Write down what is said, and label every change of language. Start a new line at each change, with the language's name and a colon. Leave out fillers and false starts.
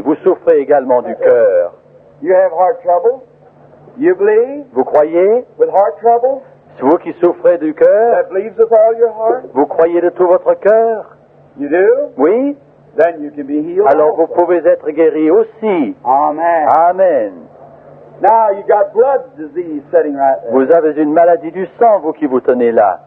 French: Vous souffrez également du cœur.
English: You have heart trouble? You believe?
French: Vous croyez?
English: With heart trouble?
French: Vous qui souffrez du cœur, vous croyez de tout votre cœur?
English: You do?
French: Oui.
English: Then you can be healed.
French: Alors vous pouvez être guéri aussi.
English: Amen.
French: Amen.
English: Now you got blood disease sitting right there.
French: Vous avez une maladie du sang, vous qui vous tenez là.